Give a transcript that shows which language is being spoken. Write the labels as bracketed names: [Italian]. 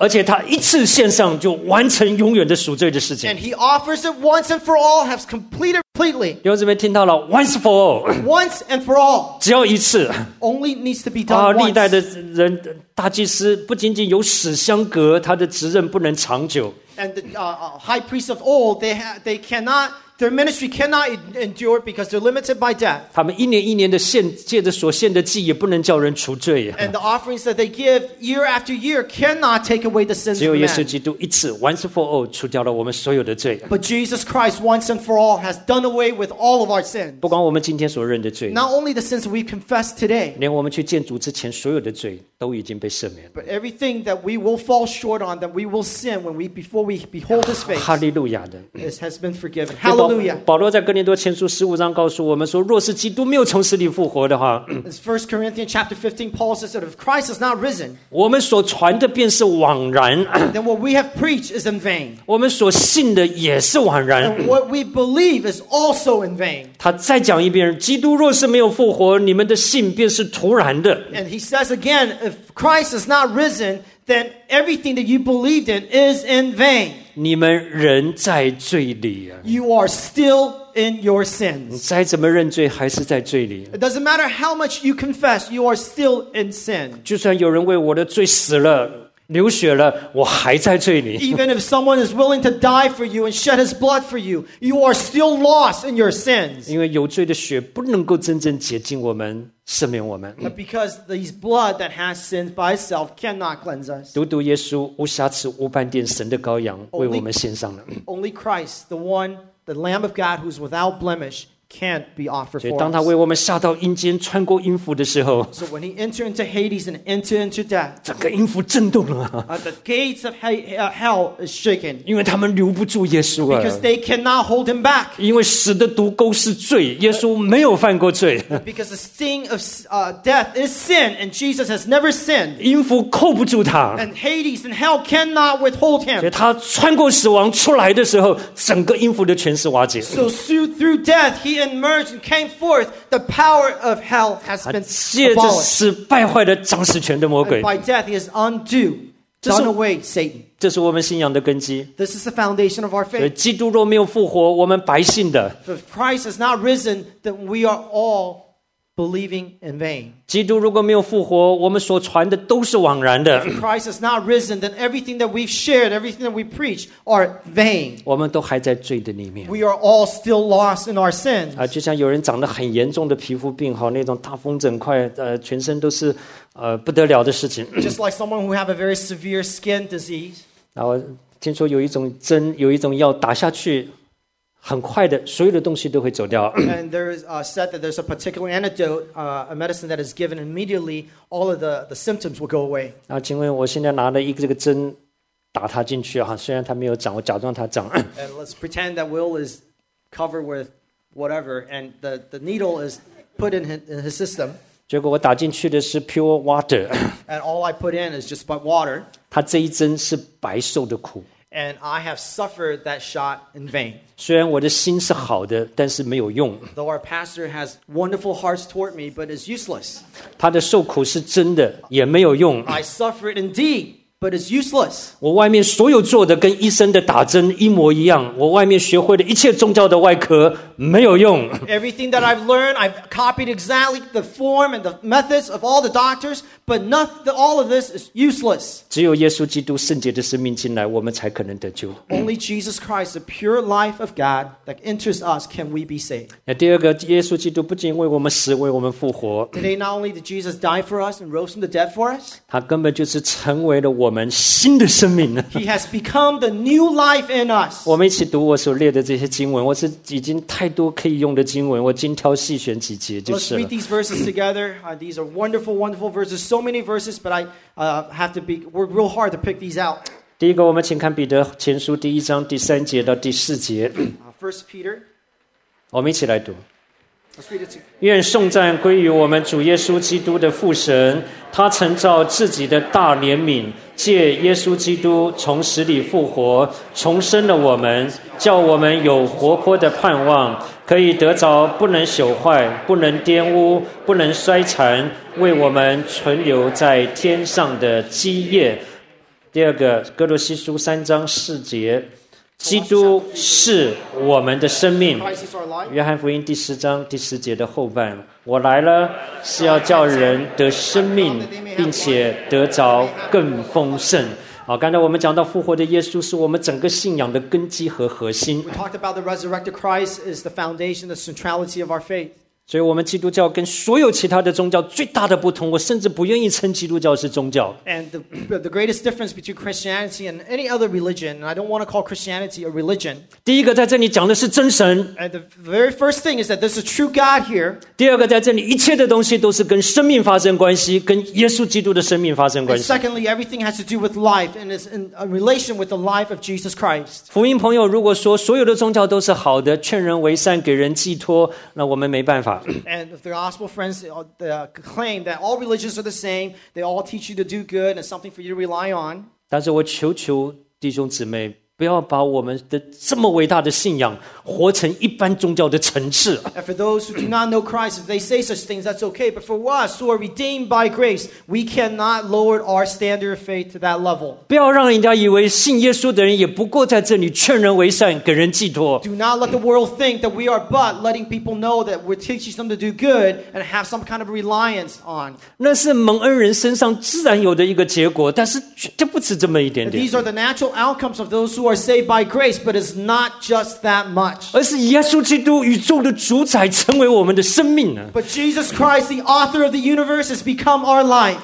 [Chinese] 而且他一次献上就完成永远的赎罪的事情。 [English] And he offers it once and for all, has completed completely. [Chinese] 弟兄姊妹听到了 ， [English] once for all. Once and for all. [Chinese] 只要一次。 [English] Only needs to be done once. [Chinese] 历代的人，大祭司不仅仅有死相隔，他的职任不能长久。 [English] And the high priests of old, they cannot. Their ministry cannot endure because they're limited by death. [Chinese] 他们一年一年的献，借着所献的祭，也不能叫人除罪。 [English] And the offerings that they give year after year cannot take away the sins of man. [Chinese] 只有耶稣基督一次 ， [English] once for all， [Chinese] 除掉了我们所有的罪。 [English] But Jesus Christ once and for all has done away with all of our sins. [Chinese] 不管我们今天所认的罪 [English] ，not only the sins we confess today， [Chinese] 连我们去见主之前所有的罪都已经被赦免。 [English] But everything that we will fall short on, that we will sin when we before we behold His face， [Chinese] 哈利路亚的 [English] ，it has been forgiven. Hallelujah. [Chinese] 保罗在哥林多前书十五章告诉我们说，若是基督没有从死里复活的话 [English] ，First Corinthians chapter 15, Paul says that if Christ has not risen， [Chinese] 我们所传的便是枉然 [English] ，then what we have preached is in vain， [Chinese] 我们所信的也是枉然 [English] ，and what we believe is also in vain。 [Chinese] 他再讲一遍，基督若是没有复活，你们的信便是徒然的。 [English] And he says again, if Christ has not risen, then everything that you believed in is in vain。 [Chinese] 你们人在罪里、啊、 [English] You are still in your sins. [Chinese] 你再怎么认罪还是在罪里。 [English] It doesn't matter how much you confess, you are still in sin. [Chinese] 就算有人为我的罪死了，流血了，我还在罪里。 [English] Even if someone is willing to die for you and shed his blood for you, you are still lost in your sins. [Chinese] 因为有罪的血不能够真正洁净我们。赦免我们 [English] But because these blood that has sinned by itself cannot cleanse us. [Chinese] 独独耶稣无瑕疵无斑点神的羔羊为我们献上了 [English] Only Christ, the one, the Lamb of God who is without blemish, can't be offered for us. [Chinese] 所以当他为我们下到阴间穿过阴府的时候 [English] So when he entered into Hades and entered into death, [Chinese] 整个阴府震动了 [English] The gates of hell is shaken. [Chinese] 因为他们留不住耶稣啊 [English] Because they cannot hold him back. [Chinese] 因为死的毒钩是罪耶稣没有犯过罪 [English] Because the sting of death is sin and Jesus has never sinned. [Chinese] 阴府扣不住他 [English] And Hades and hell cannot withhold him. [Chinese] 所以他穿过死亡出来的时候整个阴府的权势瓦解 [English] So through death, he emerged and came forth, the power of hell has been abolished. [Chinese] 借着失败坏的掌死权的魔鬼。 [English] And by death, he has undone away Satan. [Chinese] 这是我们信仰的根基。 [English] This is the foundation of our faith. [Chinese] 基督若没有复活，我们白信的。 [English] If Christ has not risen, then we are all believing in vain. [Chinese] 基督如果没有复活，我们所传的都是枉然的。 [English] If Christ has not risen, then everything that we've shared, everything that we preach are vain. [Chinese] 我们都还在罪的里面。 [English] We are all still lost in our sins. [Chinese] 就像有人长得很严重的皮肤病，那种大风疹块，全身都是不得了的事情。 [English] Just like someone who have a very severe skin disease. [Chinese] 然后听说有一种针，有一种药打下去很快的，所有的东西都会走掉。 [English] And there is said that there's a particular antidote, a medicine that is given immediately, all of the symptoms will go away. [Chinese] 啊，请问我现在拿了一个这个针，打它进去哈，虽然它没有长，我假装它长。 [English] And let's pretend that Will is covered with whatever, and the needle is put in his system. [Chinese] 结果我打进去的是 [English] pure water. And all I put in is just but water. [Chinese] 它这一针是白受的苦。 [English] And I have suffered that shot in vain. [Chinese] 虽然我的心是好的，但是没有用。 [English] Though our pastor has wonderful hearts toward me, but it's useless. [Chinese] 他的受苦是真的，也没有用。 [English] I suffered indeed, but it's useless. [Chinese] 我外面所有做的跟医生的打针一模一样，我外面学会的一切宗教的外科没有用。 [English] Everything that I've learned, I've copied exactly the form and the methods of all the doctors. But all of this is useless. [Chinese] 只有耶稣基督圣洁的生命进来，我们才可能得救。 [English] Only Jesus Christ, the pure life of God that enters us, can we be saved. [Chinese] 第二个，耶稣基督不仅为我们死，为我们复活。 [English] Today, not only did Jesus die for us and rose from the dead for us. [Chinese] 他根本就是成为了我们新的生命。 [English] He has become the new life in us. [Chinese] 我们一起读我所列的这些经文，我是已经太多可以用的经文，我精挑细选几节就是。 [English] Let's read these verses together. These are wonderful, wonderful verses. So many verses, but I have to be work real hard to pick these out. [Chinese] 第一个，我们请看彼得前书第一章第三节到第四节。 [English] First Peter, [Chinese] 我们一起来读。 [English] Let's read it together. [Chinese] 愿颂赞归于我们主耶稣基督的父神，他曾照自己的大怜悯，借耶稣基督从死里复活，重生了我们，叫我们有活泼的盼望，可以得着不能朽坏、不能玷污、不能衰残。为我们存留在天上的基业。第二个，哥罗西书三章四节，基督是我们的生命。约翰福音第十章第十节的后半，我来了是要叫人得生命，并且得着更丰盛。好，刚才我们讲到复活的耶稣是我们整个信仰的根基和核心。 [English] We talked about the resurrected Christ is the foundation, the centrality of our faith. [Chinese] 所以我们基督教跟所有其他的宗教最大的不同，我甚至不愿意称基督教是宗教。 [English] And the greatest difference between Christianity and any other religion, and I don't want to call Christianity a religion. [Chinese] 第一个在这里讲的是真神。 [English] And the very first thing is that there's a true God here. [Chinese] 第二个在这里一切的东西都是跟生命发生关系，跟耶稣基督的生命发生关系。 [English] And secondly, everything has to do with life, and it's in a relation with the life of Jesus Christ. [Chinese] 福音朋友，如果说所有的宗教都是好的，劝人为善，给人寄托，那我们没办法。 [English] And if the gospel friends claim that all religions are the same, they all teach you to do good and something for you to rely on. [Chinese] 但是我求求弟兄姊妹，不要把我们的这么伟大的信仰活成一般宗教的层次。 [English] And for those who do not know Christ, if they say such things, that's okay. But for us who are redeemed by grace, we cannot lower our standard of faith to that level. [Chinese] 不要让人家以为信耶稣的人也不过在这里劝人为善，给人寄托。 [English] Do not let the world think that we are but letting people know that we're teaching them to do good and have some kind of reliance on. [Chinese] 那是蒙恩人身上自然有的一个结果，但是绝对不止这么一点点。 [English] And these are the natural outcomes of those who are saved by grace, but it's not just that much. [Chinese] 而是耶稣基督宇宙的主宰成为我们的生命呢。 [English] But Jesus Christ, the author of the universe, has become our life.